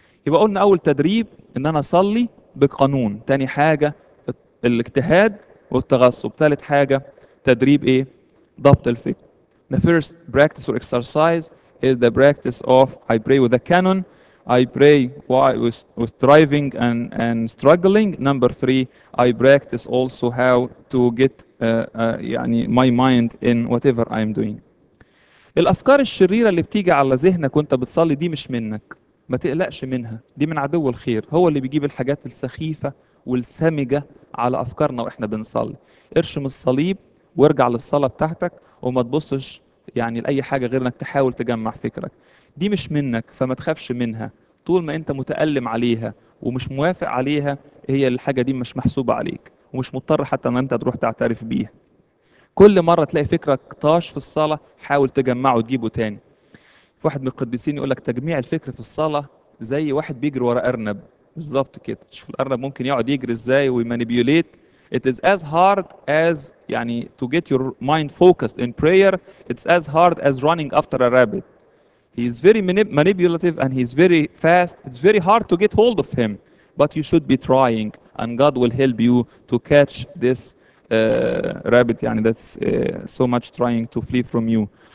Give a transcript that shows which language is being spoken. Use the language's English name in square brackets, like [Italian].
[Arabic] يبقى قلنا أول تدريب إن أنا أصلي بقانون، تاني حاجة الاجتهاد والتغصب، تالت حاجة تدريب إيه؟ ضبط الفكر. [English] The first practice or exercise is the practice of I pray with a canon, I pray while with striving and struggling. Number three, I practice also how to get my mind in whatever I'm doing. [Arabic] الأفكار الشريرة اللي بتيجي على ذهنك وأنت بتصلي دي مش منك. ما تقلقش منها، دي من عدو الخير، هو اللي بيجيب الحاجات السخيفة والسمجة على أفكارنا وإحنا بنصلي. ارشم الصليب وارجع للصلاة بتاعتك وما تبصش لأي حاجة غير إنك تحاول تجمع فكرك. دي مش منك فما تخافش منها، طول ما أنت متألم عليها ومش موافق عليها هي الحاجة دي مش محسوبة عليك ومش مضطر حتى إن أنت تروح تعترف بيها. كل مرة تلاقي فكرك طاش في الصلاة حاول تجمعه وتجيبه تاني. في واحد من القديسين يقول لك تجميع الفكر في الصلاة زي واحد بيجري ورا أرنب. بالظبط كده، شوف الأرنب ممكن يقعد يجري إزاي ويمانيبيوليت. [English] It is as hard as to get your mind focused in prayer. It's as hard as running after a rabbit. He is very manipulative and he is very fast. It's very hard to get hold of him. But you should be trying and God will help you to catch this rabbit that's so much trying to flee from you.